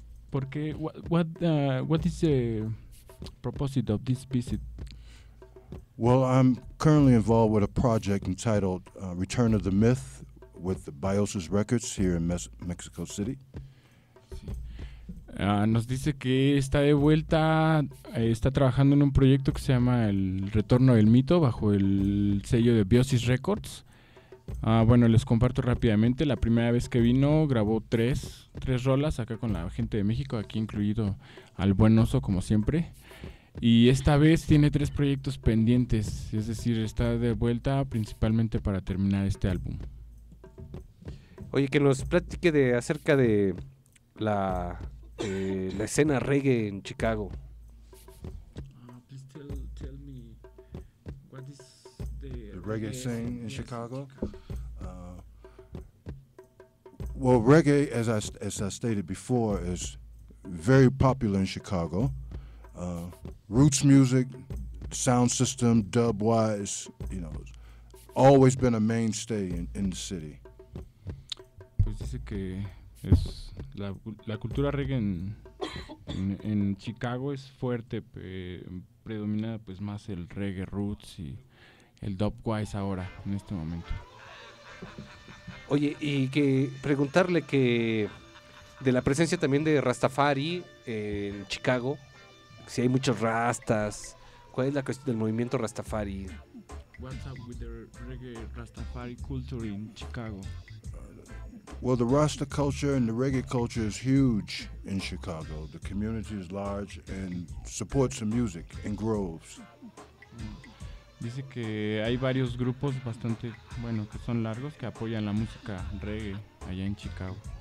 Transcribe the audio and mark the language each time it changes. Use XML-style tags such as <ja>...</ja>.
<es>Porque</es> <en>what is the purpose of this visit? Well, I'm currently involved with a project entitled Return of the Myth with the Biosis Records here in Mexico City.</en> <es>Sí. Nos dice que está de vuelta, está trabajando en un proyecto que se llama El Retorno del Mito bajo el sello de Biosis Records. Bueno, les comparto rápidamente, la primera vez que vino grabó tres rolas acá con la gente de México, aquí incluido al Buen Oso como siempre, y esta vez tiene tres proyectos pendientes, es decir, está de vuelta principalmente para terminar este álbum. Oye, que nos platique acerca de la escena reggae en Chicago.</es> <en>Please tell me what is the reggae scene in Chicago. Well, reggae, as I stated before, is very popular in Chicago. Roots music, sound system, dub-wise, you know, always been a mainstay in the city.</en> <es>Pues dice que es la cultura reggae en Chicago es fuerte, predomina pues más el reggae roots y el dub-wise ahora, en este momento. Oye, y que preguntarle que de la presencia también de Rastafari en Chicago, si hay muchos rastas, ¿cuál es la cuestión del movimiento Rastafari?</es> <en>What's up with the reggae Rastafari culture in Chicago? Well, the Rasta culture and the reggae culture is huge in Chicago. The community is large and supports the music and grows.</en> <es>Dice que hay varios grupos bastante, bueno, que son largos, que apoyan la música reggae allá en Chicago.</es>